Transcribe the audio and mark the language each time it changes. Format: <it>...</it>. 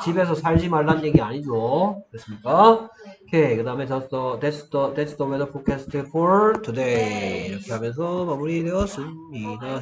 <ko>집에서 살지 말란 얘기 아니죠. 됐습니까? 오케이. 그 다음에</ko> <en>that's the weather forecast for today.</en> <ko>이렇게 하면서 마무리되었습니다.</ko>